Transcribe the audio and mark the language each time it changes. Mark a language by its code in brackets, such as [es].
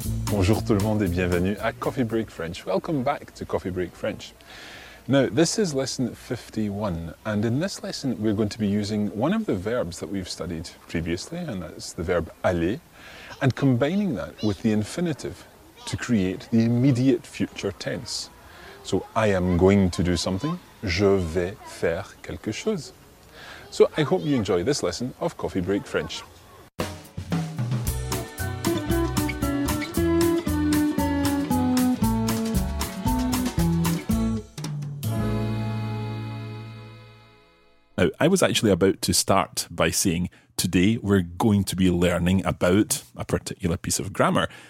[fr] Bonjour tout le monde et bienvenue à Coffee Break French. [en] Welcome back to Coffee Break French. Now, this is lesson 51, and in this lesson, we're going to be using one of the verbs that we've studied previously, and that's the verb aller, and combining that with the infinitive to create the immediate future tense. So, I am going to do something. [fr] Je vais faire quelque chose. [en] So, I hope you enjoy this lesson of Coffee Break French. Now, I was actually about to start by saying, today we're going to be learning about a particular piece of grammar.